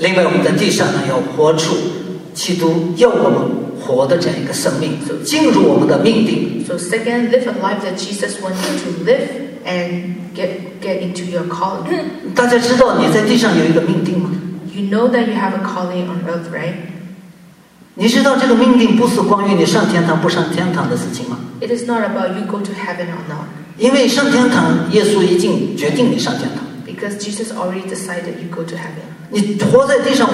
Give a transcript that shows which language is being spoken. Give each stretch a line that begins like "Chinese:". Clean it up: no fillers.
Chinese: 另外我们在地上呢,要活出基督要我们活的这样一个生命,进入我们的命定。
English: So second, live a life that Jesus wants you to live and get into your calling.
Chinese: 大家知道你在地上有一个命定吗?
English: You know that you have a calling on earth, right?
Chinese: 你知道这个命定不是关于你上天堂不上天堂的事情吗?
English: It is not about you go to heaven or not.
Chinese: 因为上天堂耶稣已经决定你上天堂。
English: Because Jesus already decided you go to heaven.